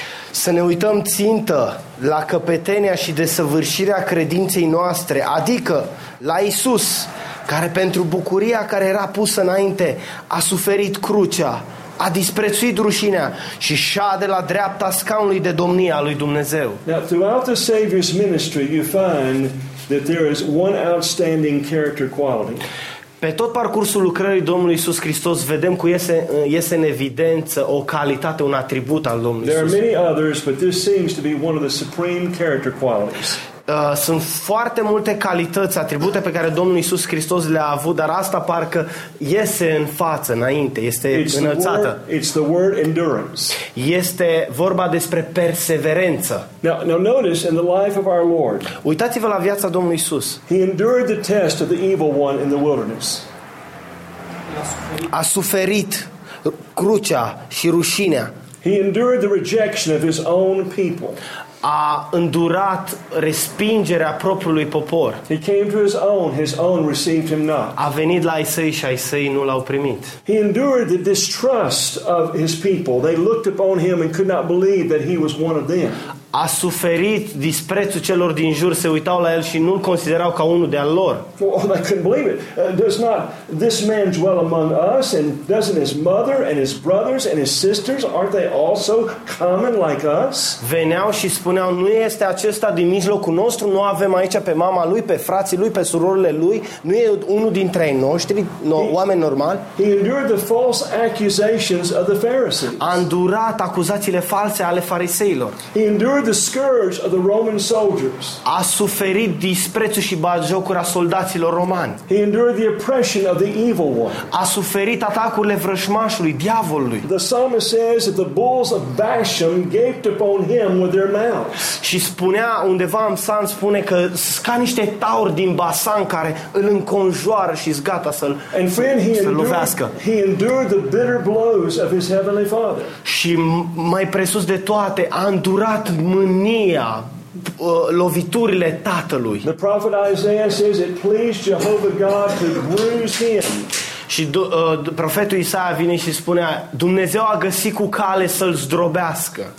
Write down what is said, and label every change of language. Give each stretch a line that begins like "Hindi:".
Romanian: Să ne uităm țintă la căpetenia și desăvârșirea credinței noastre, adică la Iisus, care pentru bucuria care era pusă înainte a suferit crucea, a disprețuit rușinea și șade la dreapta scaunului de domnie a lui Dumnezeu.
English: Now, throughout the Savior's ministry, you find that there is one outstanding character quality.
Romanian: Pe tot parcursul lucrării Domnului Iisus Hristos vedem cu iese în evidență o calitate, un atribut al Domnului.
English: There are many others, but this seems to be one of the supreme character qualities.
Romanian: Sunt foarte multe calități, atribute pe care Domnul Iisus Hristos le-a avut, dar asta parcă iese în față, înainte, este înălțată.
English: It's the word endurance.
Romanian: Este vorba despre perseverență.
English: Now notice in the life of our Lord.
Romanian: Uitați-vă la viața Domnului Iisus.
English: He endured the test of the evil one in the wilderness.
Romanian: A suferit crucea și rușinea.
English: He endured the rejection of his own people.
Romanian: A îndurat respingerea propriului popor.
English: He came to his own received him not.
Romanian: A venit la ai săi și ai săi nu l-au primit.
English: He endured the distrust of his people. They looked upon him and could not believe that he was one of them.
Romanian: A suferit disprețul celor din jur, se uitau la el și nu-l considerau ca unul de al lor.
English: Well, I couldn't believe it. Does not this man dwell among us, and doesn't his mother and his brothers and his sisters, aren't they also common like us?
Romanian: Veneau și spuneau, nu este acesta din mijlocul nostru, nu avem aici pe mama lui, pe frații lui, pe surorile lui, nu e unul dintre ai noștri, oameni normali?
English: He endured the false accusations of the Pharisees.
Romanian: A îndurat acuzațiile false ale fariseilor.
English: He endured the scourge of the Roman soldiers.
Romanian: A suferit disprețul și batjocura soldaților romani.
English: He endured the oppression of the evil one.
Romanian: A suferit atacurile vrăjmașului, diavolului.
English: The psalmist says that the bulls of Bashan gaped upon him with their mouths.
Romanian: Și spunea undeva în psalm, spune că ca niște tauri din Basan care îl înconjoară și zgata să-l lovească.
English: He endured the bitter blows of his heavenly father.
Romanian: Și mai presus de toate, a îndurat mânia, loviturile tatălui.
English: The prophet Isaiah says it pleased Jehovah God to bruise him.
Romanian: Și profetul Isaia vine și spunea, Dumnezeu a găsit cu cale să-l zdrobească.